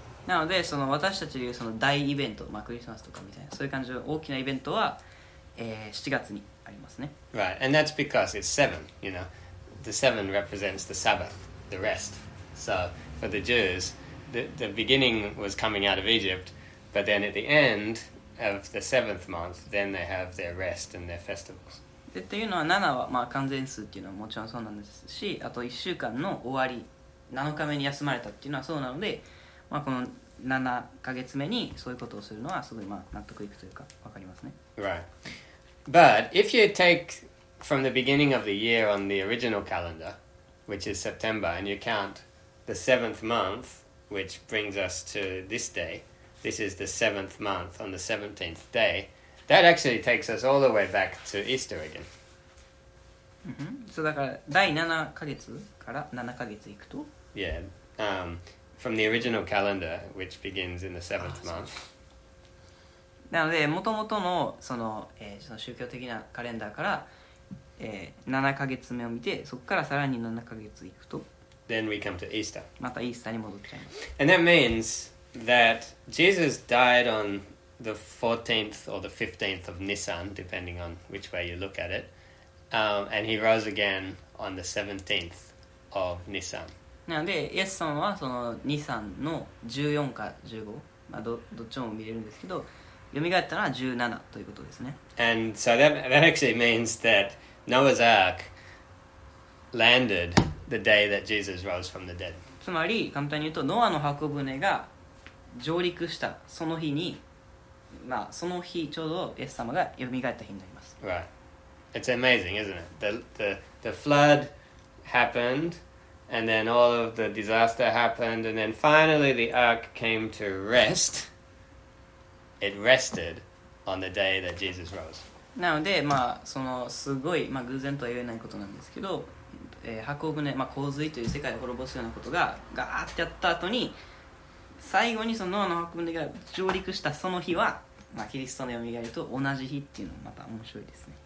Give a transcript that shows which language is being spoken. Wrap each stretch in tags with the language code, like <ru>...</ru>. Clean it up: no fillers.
<ja>なので、その私たちでいうその大イベント、まあ、クリスマスとかみたいな、そういう感じの大きなイベントは、7月に。</ja> <en>Right, and that's because it's seven, you know. The seven represents the Sabbath, the rest. So for the Jews, the beginning was coming out of Egypt, but then at the end of the seventh month, then they have their rest and their festivals.</en> <ja>っていうのは、七は、まあ、完全数っていうのはもちろんそうなんですし、あと一週間の終わり、七日目に休まれたっていうのはそうなので、まあ、この七ヶ月目にそういうことをするのはすごい、まあ、納得いくというか、わかりますね。</ja> <en>Right. But if you take from the beginning of the year on the original calendar, which is September, and you count the seventh month, which brings us to this day, this is the seventh month on the 17th day, that actually takes us all the way back to Easter again. Mm-hmm.</en> <ja>So, だから第7ヶ月から7ヶ月行くと?</ja> <en>Yeah, from the original calendar, which begins in the seventh month.</en> <ja>なので元々のその、その宗教的なカレンダーから、7ヶ月目を見てそこからさらに7ヶ月いくと</ja> <en>Then we come to Easter.</en> <ja>またイースターに戻っちゃいます</ja> <en>And that means that Jesus died on the 14th or the 15th of Nisan depending on which way you look at it、and he rose again on the 17th of Nisan</en> <ja>なのでイエス様はそのニサンの14か15、まあ、どっちも見れるんですけど蘇ったのは17ということですね。</ja> <en>And so that actually means that Noah's Ark landed the day that Jesus rose from the dead.</en> <ja>つまり簡単に言うとノアの箱舟が上陸したその日に、まあその日ちょうどイエス様が蘇った日になります。</ja> <en>Right. It's amazing, isn't it? The flood happened, and then all of the disaster happened, and then finally the Ark came to rest. It rested on the day that Jesus rose.</en> <ja>なので、まあ、そのすごい、まあ、偶然とは言えないことなんですけど、箱舟、まあ、洪水という世界を滅ぼすようなことがガーってやった後に、最後にそのノアの箱舟が上陸したその日は、まあ、キリストの蘇りと同じ日っていうのもまた面白いですね。</ja>